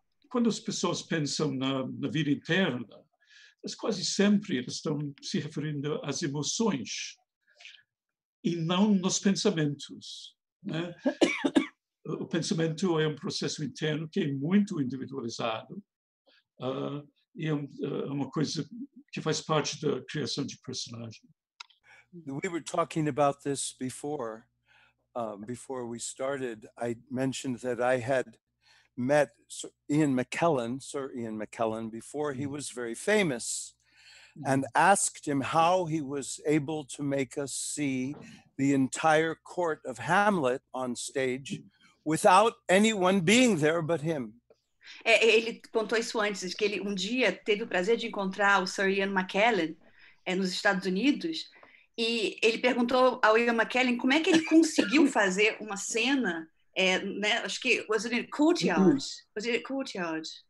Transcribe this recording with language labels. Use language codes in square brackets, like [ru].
[pt] Quando as pessoas pensam na vida interna, elas quase sempre estão se referindo às emoções e não nos pensamentos. Né? O pensamento é um processo interno que é muito individualizado e é uma coisa que faz parte da criação de personagem. [en] We were talking about this before, before we started. I mentioned that I had met Sir Ian McKellen before he was very famous, and asked him how he was able to make us see the entire court of Hamlet on stage without anyone being there but him. [pt] Ele contou isso antes, que ele dia teve o prazer de encontrar o Sir Ian McKellen nos Estados Unidos, e ele perguntou ao Ian McKellen como é que ele conseguiu fazer uma cena. Né, acho que, [en] was it in courtyard? [pt] Was it in courtyard?